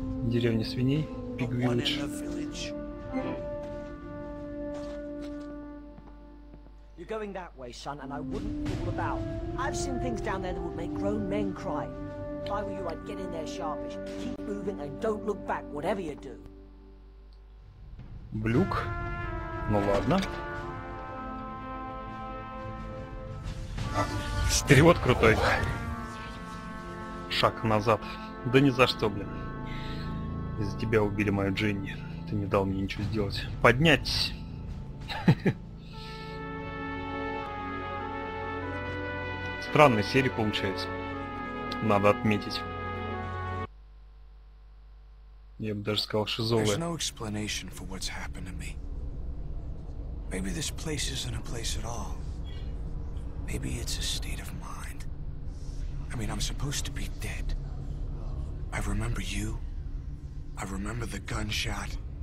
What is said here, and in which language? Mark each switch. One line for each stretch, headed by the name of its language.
Russian: Деревня свиней, Пиг Виллидж.
English: Going that way, son, and I wouldn't fool about. I've seen things down there that would make grown men cry. If I were you, I'd get in there sharpish. Keep moving and don't look back, whatever you do.
Russian: Блюк? Ну ладно. Стрелот крутой. Шаг назад. Да ни за что, блин. Из-за тебя убили мою Дженни. Ты не дал мне ничего сделать. Поднять. Странная серия получается. Надо отметить. Я бы даже сказал шизовая.
English: There's no explanation for what's happened to me. Maybe this place isn't a place at all. Maybe it's a state of mind. I mean, I'm supposed to be dead. I remember you. I remember the gunshot.